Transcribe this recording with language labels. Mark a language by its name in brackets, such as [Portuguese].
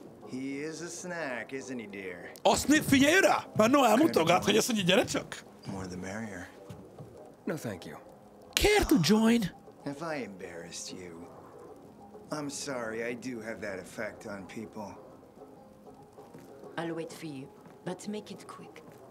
[English] He is a snack, isn't he, dear? [Hungarian] Azt nézd, figyelj rá! Már Noah elmutogat, hogy azt mondja, gyere csak! [English] More the merrier. No, thank you. Care to join? If I embarrassed you, I'm sorry, I do have that effect on people. I'll wait for you, but make it quick.